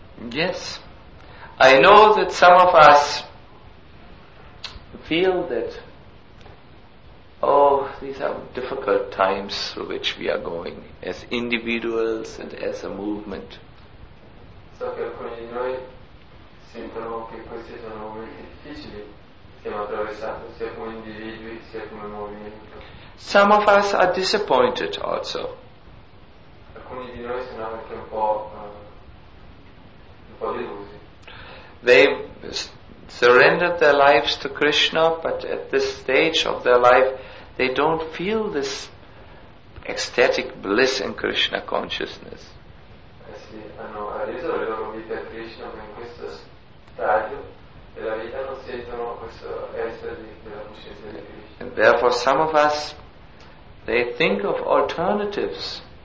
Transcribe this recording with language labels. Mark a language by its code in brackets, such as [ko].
[en] Yes, I know that some of us feel that, oh, these are difficult times through which we are going as individuals and as a movement. [it] So che alcuni di noi sentono che questi sono momenti difficili, stiamo attraversando sia come individui sia come movimento. [en] Some of us are disappointed also. [it] Alcuni di noi sono anche un po' delusi. [en] They surrendered their lives to Krishna, but at this stage of their life they don't feel this ecstatic bliss in Krishna consciousness. [it] Hanno reso le loro vite a Krishna, ma in questo stadio della vita non sentono questo essere della coscienza di Krishna. [en] And therefore some of us, they think of alternatives.